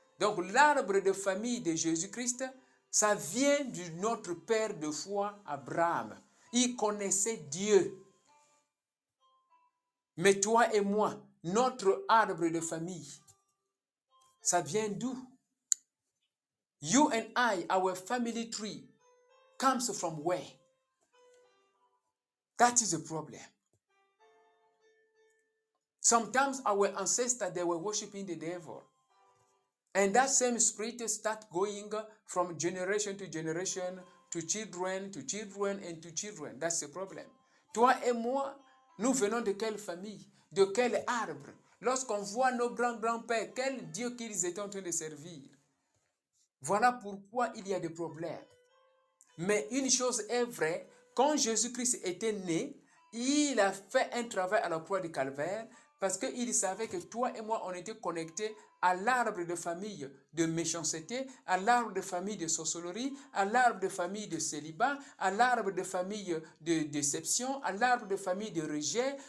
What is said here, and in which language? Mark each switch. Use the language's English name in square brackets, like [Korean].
[French] Donc l'arbre de famille de Jésus-Christ, ça vient de notre père de foi, Abraham. Il connaissait Dieu. Mais toi et moi, notre arbre de famille, ça vient d'où? [English] You and I, our family tree, comes from where? That is the problem. Sometimes our ancestors, they were worshiping the devil. And that same spirit starts going from generation to generation, to children, and to children. That's the problem. [French] Toi et moi, nous venons de quelle famille? De quel arbre? Lorsqu'on voit nos grands-grands-pères, quel Dieu qu'ils étaient en train de servir? Voilà pourquoi il y a des problèmes. Mais une chose est vraie, quand Jésus-Christ était né, il a fait un travail à la croix du calvaire parce qu'il savait que toi et moi, on était connectés à l'arbre de famille de méchanceté, à l'arbre de famille de sorcellerie, à l'arbre de famille de célibat, à l'arbre de famille de déception, à l'arbre de famille de rejet.